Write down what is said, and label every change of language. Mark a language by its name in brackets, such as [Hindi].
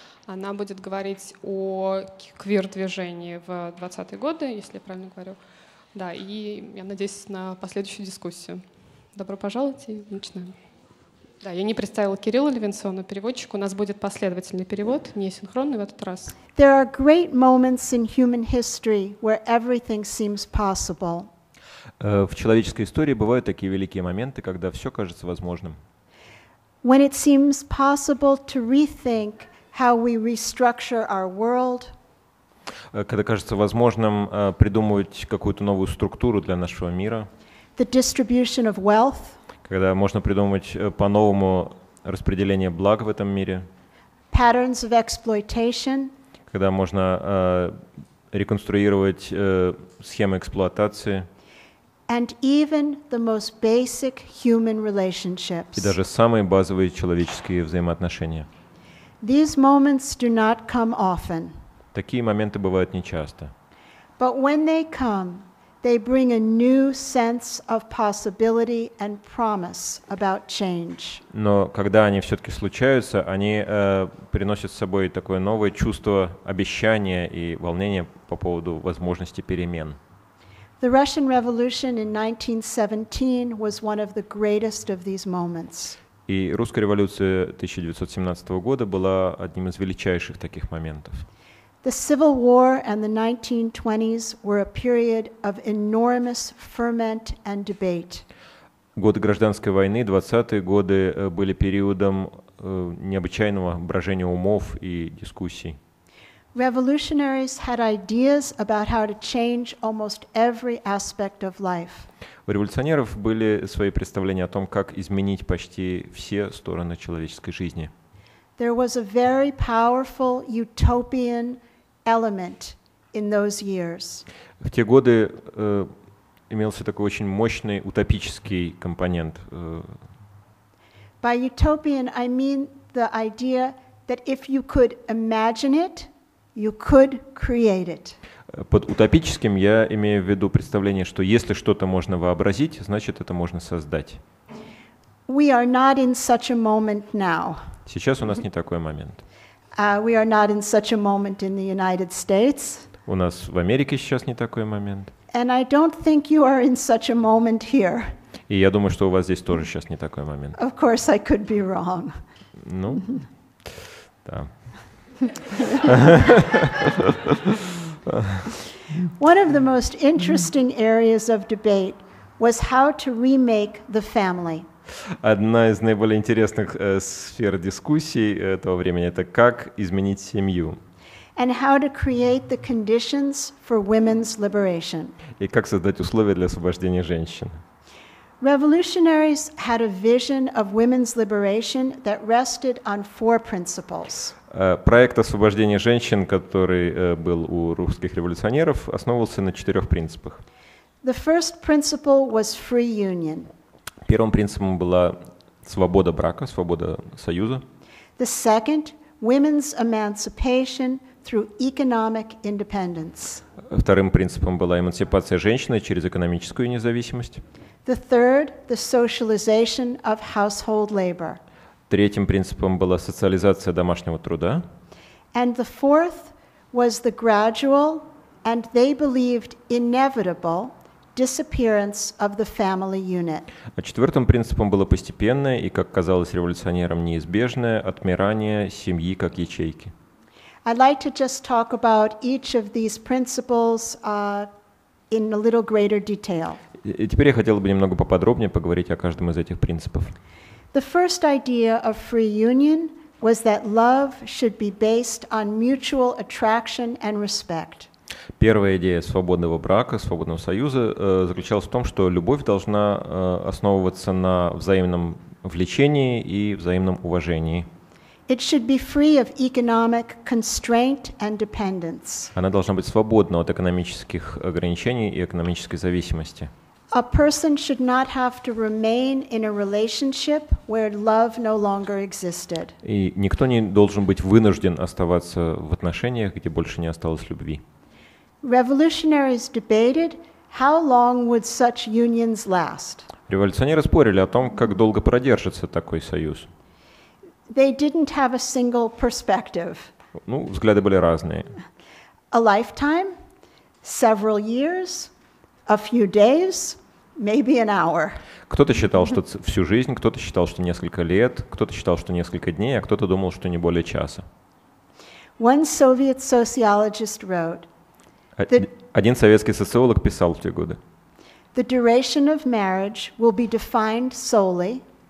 [Russian] Она будет говорить о квир-движении в 20-е годы, если я правильно говорю. Да, и я надеюсь на последующую дискуссию. Добро пожаловать, и начинаем. Да, я не представила Кирилла Левинсона, переводчик. У нас будет последовательный перевод, не синхронный в этот раз. [English] There are great moments in human history where everything seems possible. [Russian] В человеческой истории бывают такие великие моменты, когда все кажется возможным. [English] When it seems possible to rethink how we restructure our world. [Russian] Когда кажется возможным придумывать какую-то новую структуру для нашего мира. [English] The distribution of wealth. [Russian] Когда можно придумать по-новому распределение благ в этом мире. [English] Patterns of exploitation. [Russian] Когда можно реконструировать схемы эксплуатации. [English] And even the most basic human relationships. [Russian] И даже самые базовые человеческие взаимоотношения. [English] These moments do not come often. [Russian] Такие моменты бывают нечасто. [English] But when they come, they bring a new sense of possibility and promise about change. [Russian] Но когда они все-таки случаются, они приносят с собой такое новое чувство обещания и волнения по поводу возможности перемен. [English] The Russian Revolution in 1917 was one of the greatest of these moments. [Russian] И русская революция 1917 года была одним из величайших таких моментов. [English] The Civil War and the 1920s were a period of enormous ferment and debate. [Russian] Годы гражданской войны, 20-е годы, были периодом необычайного брожения умов и дискуссий. [English] Revolutionaries had ideas about how to change almost every aspect of life. [Russian] У революционеров были свои представления о том, как изменить почти все стороны человеческой жизни. [English] There was a very powerful utopian element in those years. [Russian] В те годы имелся такой очень мощный утопический компонент. [English] By utopian I mean the idea that if you could imagine it, you could create it. [Russian] Под утопическим я имею в виду представление, что если что-то можно вообразить, значит, это можно создать. [English] We are not in such a moment now. [Russian] Сейчас у нас не такой момент. [English] We are not in such a moment in the United States. [Russian] У нас в Америке сейчас не такой момент. [English] And I don't think you are in such a moment here. [Russian] И я думаю, что у вас здесь тоже сейчас не такой момент. [English] Of course, I could be wrong. [Russian] Ну, да. [English] One of the most interesting areas of debate was how to remake the family. [Russian] Одна из наиболее интересных сфер дискуссий этого времени — это как изменить семью. [English] And how to create the conditions for women's liberation. [Russian] И как создать условия для освобождения женщин. [English] Revolutionaries had a vision of women's liberation that rested on four principles. [Russian] Проект освобождения женщин, который был у русских революционеров, основывался на четырех принципах. [English] The first principle was free union. [Russian] Первым принципом была свобода брака, свобода союза. [English] The second, women's emancipation through economic independence. [Russian] Вторым принципом была эмансипация женщины через экономическую независимость. [English] The third, the socialization of household labor. [Russian] Третьим принципом была социализация домашнего труда. [English] And the fourth was the gradual, and they believed inevitable, disappearance of the family unit. [Russian] А четвертым принципом было постепенное и, как казалось революционерам, неизбежное отмирание семьи как ячейки. [English] I'd like to just talk about each of these principles in a little greater detail. [Russian] И теперь я хотел бы немного поподробнее поговорить о каждом из этих принципов. [English] The first idea of free union was that love should be based on mutual attraction and respect. [Russian] Первая идея свободного брака, свободного союза, заключалась в том, что любовь должна основываться на взаимном влечении и взаимном уважении. [English] It should be free of economic constraint and dependence. [Russian] Она должна быть свободна от экономических ограничений и экономической зависимости. [English] A person should not have to remain in a relationship where love no longer existed. [Russian] И никто не должен быть вынужден оставаться в отношениях, где больше не осталось любви. [English] Revolutionaries debated how long would such unions last. [Russian] Революционеры спорили о том, как долго продержится такой союз. [English] They didn't have a single perspective. [Russian] Ну, взгляды были разные. [English] A lifetime, several years, a few days, maybe an hour. [Russian] Кто-то считал, что всю жизнь, кто-то считал, что несколько лет, кто-то считал, что несколько дней, а кто-то думал, что не более часа. [English] One Soviet sociologist wrote. [Russian] Один советский социолог писал в те годы. [English] The duration of marriage will be defined solely.